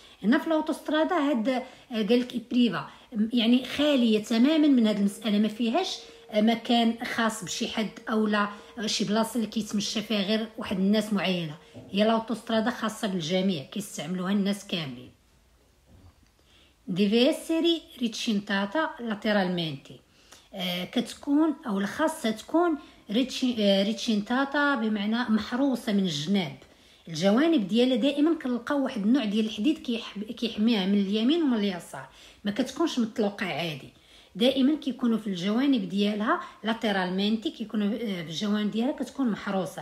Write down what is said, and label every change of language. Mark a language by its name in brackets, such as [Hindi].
[Arabic] هنا في الاوتوسترادا هاد قالك بريفا يعني خاليه تماما من هاد المساله، ما فيهاش مكان خاص بشي حد او لا شي بلاصه اللي كيتمشى فيها غير واحد الناس معينه. هي الاوتوسترادا خاصه بالجميع، كيستعملوها الناس كاملين. [Italian] deve essere ricintata lateralmente. [Arabic] كتكون او الخاصه تكون ريتشينتاتا، بمعنى محروسه من الجناب. الجوانب ديالها دائما كنلقاو واحد النوع ديال الحديد كيحميها من اليمين ومن اليسار، ما كتكونش مطلقه عادي، دائما كيكونوا في الجوانب ديالها لاترالمنتي، كيكونوا في الجوانب ديالها كتكون محروسه.